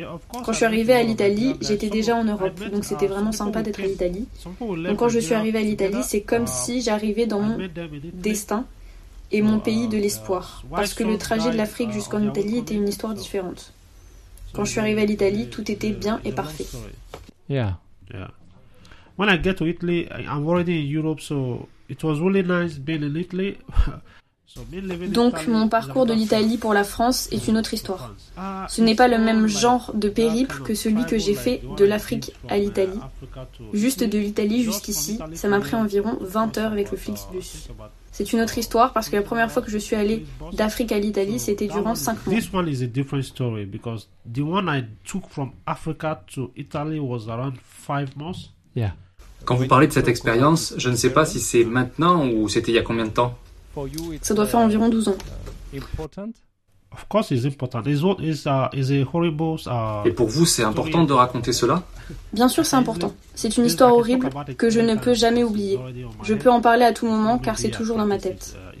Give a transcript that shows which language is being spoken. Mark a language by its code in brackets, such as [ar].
[fr] Quand je suis arrivée à l'Italie, j'étais déjà en Europe, donc c'était vraiment sympa d'être à l'Italie. Donc quand je suis arrivée à l'Italie, c'est comme si j'arrivais dans mon destin et mon pays de l'espoir, parce que le trajet de l'Afrique jusqu'en Italie était une histoire différente. Quand je suis arrivée à l'Italie, tout était bien et parfait. [en] When I get to Italy, I'm already in Europe, so it was really nice being in Italy. [fr] Donc, mon parcours de l'Italie pour la France est une autre histoire. Ce n'est pas le même genre de périple que celui que j'ai fait de l'Afrique à l'Italie. Juste de l'Italie jusqu'ici, ça m'a pris environ 20 heures avec le Flixbus. C'est une autre histoire parce que la première fois que je suis allé d'Afrique à l'Italie, c'était durant 5 mois. [en] This one is a different story because the one I took from Africa to Italy was around 5 months. Yeah. [fr] Quand vous parlez de cette expérience, je ne sais pas si c'est maintenant ou c'était il y a combien de temps. Ça doit faire environ 12 ans. [en] Of course it's important. It's a horrible, [fr] Et pour vous, c'est important de raconter cela? Bien sûr, c'est important. C'est une histoire horrible que je ne peux jamais oublier. Je peux en parler à tout moment car c'est toujours dans ma tête.